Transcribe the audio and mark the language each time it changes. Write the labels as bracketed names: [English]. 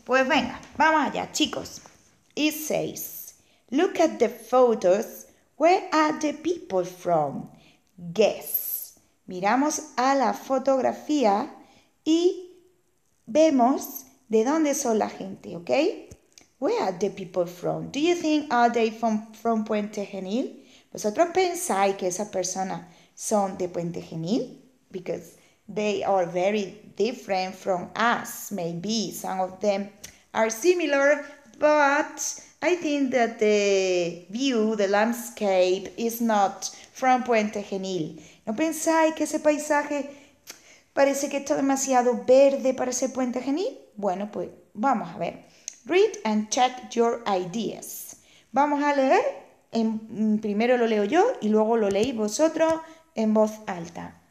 [Spanish] Pues venga, vamos allá, chicos. [English] It says, look at the photos. Where are the people from? Guess. [Spanish] Miramos a la fotografía y vemos de dónde son la gente, ¿ok? [English] Where are the people from? Do you think are they from Puente Genil? [Spanish] ¿Vosotros pensáis que esas personas son de Puente Genil? [English] Because they are very different from us. Maybe some of them are similar, but I think that the view, the landscape, is not from Puente Genil. [Spanish] ¿No pensáis que ese paisaje parece que está demasiado verde para ser Puente Genil? Bueno, pues vamos a ver. [English] Read and check your ideas. [Spanish] Vamos a leer. Primero lo leo yo y luego lo leéis vosotros en voz alta.